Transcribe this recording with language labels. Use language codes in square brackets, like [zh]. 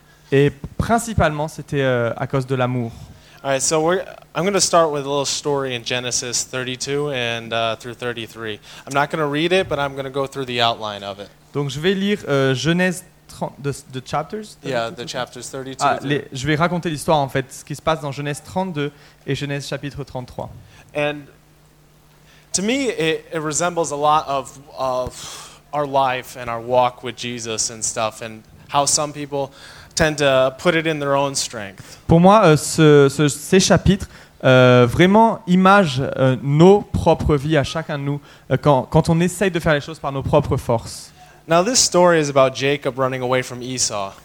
[fr] Et principalement, c'était à cause de l'amour. [en] All right, so I'm going to start with a little story in Genesis 32 and through 33. I'm not going to read it, but I'm going to go through the outline of it. [fr] Donc je vais lire Genèse 30, [en] the chapters. 32, yeah, the chapters 32. [fr] Je vais raconter l'histoire en fait, ce qui se passe dans Genèse 32 et Genèse chapitre 33. [en] And to me, it resembles a lot of our life and our walk with Jesus and stuff, and how some people tend to put it in their own strength. [fr] Pour moi, ces chapitres vraiment imagent nos propres vies à chacun de nous quand on essaye de faire les choses par nos propres forces. [en] Now this story is about Jacob running away from Esau.